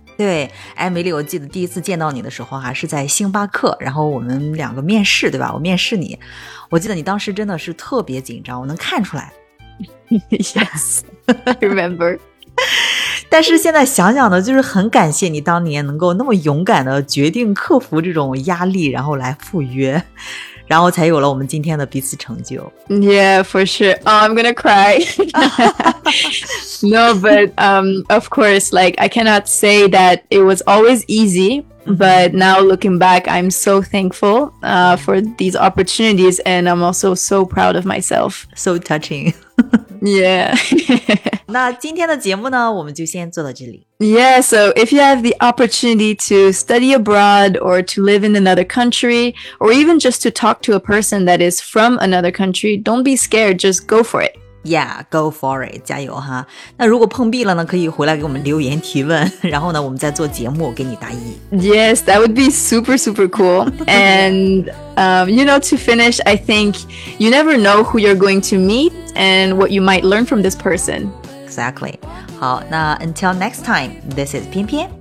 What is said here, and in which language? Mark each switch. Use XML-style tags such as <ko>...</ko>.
<zh>对艾米丽我记得第一次见到你的时候、是在星巴克然后我们两个面试对吧我面试你我记得你当时真的是特别紧张我能看出来</zh> <en>Yes, I remember</en> <zh>但是现在想想呢就是很感谢你当年能够那么勇敢的决定克服这种压力然后来赴约然后才有了我们今天的彼此成就</zh> <en>Yeah, for sure、oh, I'm gonna cry No, but、of course like, I cannot say that it was always easy But now looking back, I'm so thankful、for these opportunities And I'm also so proud of myself So touching Yeah.</en> <zh>那今天的节目呢我们就先做到这里。</zh> <en>Yeah, so if you have the opportunity to study abroad or to live in another country or even just to talk to a person that is from another country, don't be scared, just go for it. Yeah, go for it,</en> <zh>加油哈。那如果碰壁了呢可以回来给我们留言提问然后呢我们再做节目给你答疑。</zh> <en>Yes, that would be super, super cool. And, you know, to finish, I think you never know who you're going to meet. And what you might learn from this person. Exactly. 好，那 until next time, this is Pian Pian.</en>